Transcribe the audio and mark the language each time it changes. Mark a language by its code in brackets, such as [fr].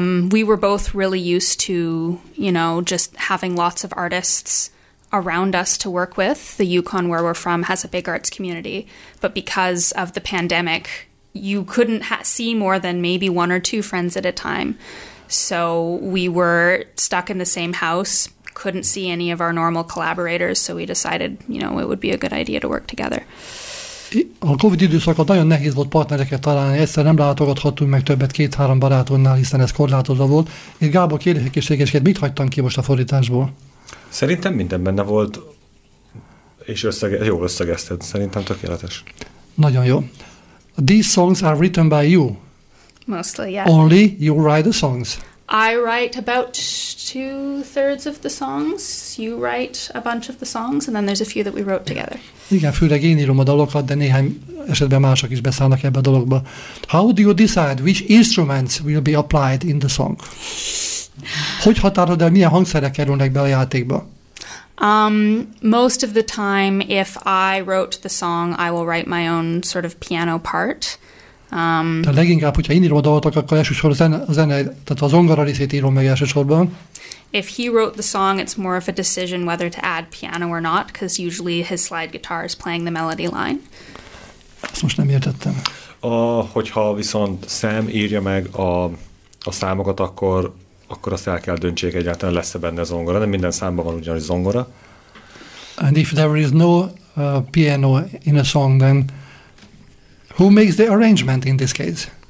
[en] We were both really used to, you know, just having lots of artists around us to work with. The Yukon, where we're from, has a big arts community. But because of the pandemic, you couldn't see more than maybe one or two friends at a time. So we were stuck in the same house, couldn't see any of our normal collaborators. So we decided, you know, it would be a good idea to work together. [hu] A COVID időszakban nagyon nehéz volt partnereket találni, egyszer nem látogathattunk meg többet két-három barátunknál, hiszen ez korlátozva volt. És Gábor kérdéseket, mit hagytam ki most a fordításból? Szerintem minden benne volt, és jól összegezted. Szerintem tökéletes. Nagyon jó. [en] These songs are written by you. Mostly, yeah. Only you write the songs. I write about 2/3 of the songs. You write a bunch of the songs, and then there's a few that we wrote together. [hu] Igen, főleg én írom a dalokat, de néhány esetben mások is beszállnak ebbe a dologba. [en] How do you decide which instruments will be applied in the song? [hu] Hogy határod el, milyen hangszerek kerülnek be a játékba? [en] Most of the time, if I wrote the song, I will write my own sort of piano part. [hu] De leginkább, hogyha én írom a dalatok, akkor elsősorban a zene, tehát a zongora részét írom meg elsősorban. [en] If he wrote the song, it's more of a decision whether to add piano or not, because usually his slide guitar is playing the melody line. [hu] Ezt most nem értettem. Hogyha viszont Sam írja meg a számokat, akkor azt el kell döntsék, egyáltalán lesz-e benne zongora. Nem minden számban van ugyanis zongora. [en] And if there is no piano in a song, then who makes the arrangement in this case?